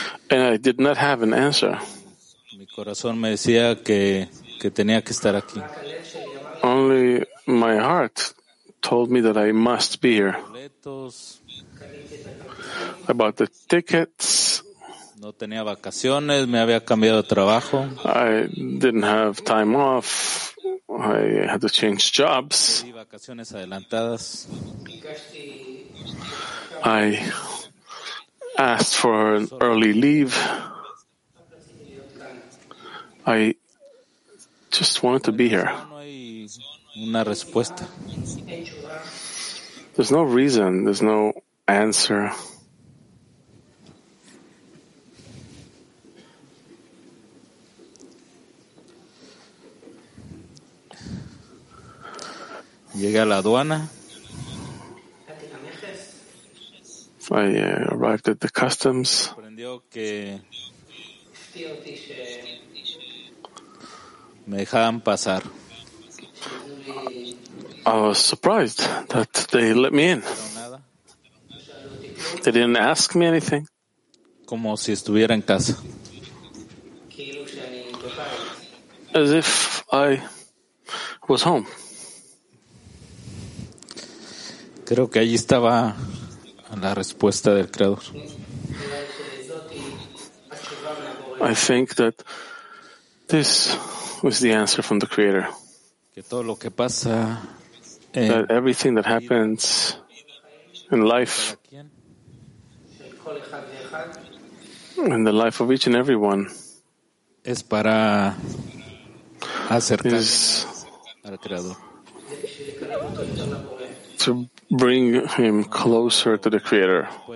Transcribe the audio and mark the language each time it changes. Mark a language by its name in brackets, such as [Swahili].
[English] And I did not have an answer. [Spanish] Mi corazón me decía que tenía que estar aquí. [English] Only my heart told me that I must be here. I bought the tickets. [Spanish] No tenía vacaciones, me había cambiado de trabajo. [English] I didn't have time off. I had to change jobs. [Spanish] Pedí vacaciones adelantadas. [English] I asked for an early leave. I just wanted to be here. [Spanish] Una respuesta. [English] There's no reason, there's no answer. [Spanish] Llegué a la aduana. [English] I arrived at the customs. [Spanish] Aprendió que me dejaban pasar. [English] I was surprised that they let me in. They didn't ask me anything. [Spanish] Como si estuviera en casa. [English] As if I was home. [Spanish] Creo que allí estaba la respuesta del Creador. [English] I think that this was the answer from the Creator. [Spanish] Que todo lo que pasa [English] en that everything that happens in life, in the life of each and everyone, [Spanish] es para acercarnos al Creador. [English] To bring him closer to the Creator.